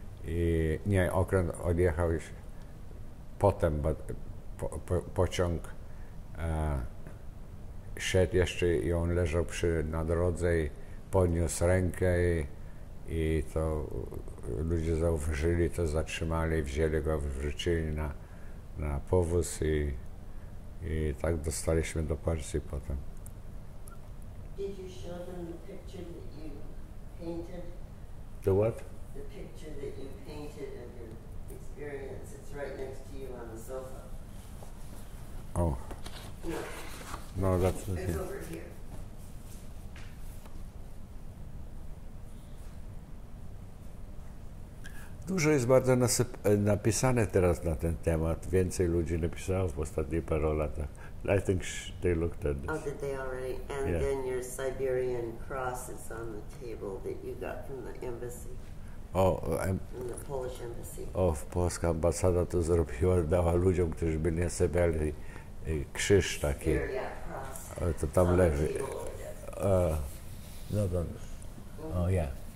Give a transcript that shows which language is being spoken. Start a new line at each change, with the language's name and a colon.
Polish: I nie, okręt odjechał już potem, bo pociąg szedł jeszcze i on leżał na drodze i podniósł rękę i to ludzie zauważyli, to zatrzymali, wzięli go, wrzucili na powóz i tak dostaliśmy do Polski potem.
English: Did you show them the picture that you painted? The what? the picture that you painted of your experience. It's right next to you on the sofa. Oh. No. No, that's it's over here.
Polish: Dużo jest bardzo napisane teraz na ten temat. Więcej ludzi napisało w ostatnich paru latach.
English: I think they looked at this. Oh, did they already? And yeah. Then your Siberian cross is on the table that you got from the embassy. From the Polish embassy.
Polish: Oh, polska ambasada to zrobiła, dała ludziom, którzy byli na Syberii, krzyż taki.
English: Yeah, cross.
Polish: To tam on leży.
English: The table, no to. Oh, yeah.